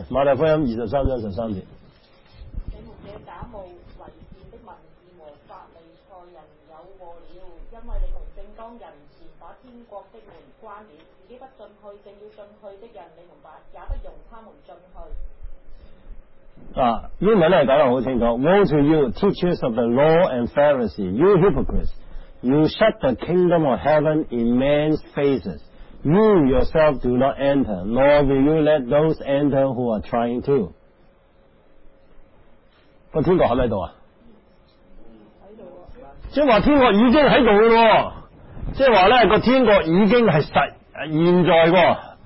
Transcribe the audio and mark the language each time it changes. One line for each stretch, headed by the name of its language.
Chinese: 馬太福音23:13。你們這假冒為善的文字和法利賽人有禍了，因為你們正當人前把天國的門關了，自己不進去，正要進去的人，你們也不容他們進去。英文是講得很清楚，
English: Woe to you, teachers of the law and Pharisees, you hypocrites, you shut the kingdom of heaven in men's faces. You yourself do not enter, nor will you let those enter who are trying to.
Chinese: 那天国在哪里啊？在这里。就是说天国已经在这里了。就是说天国已经是实现在的。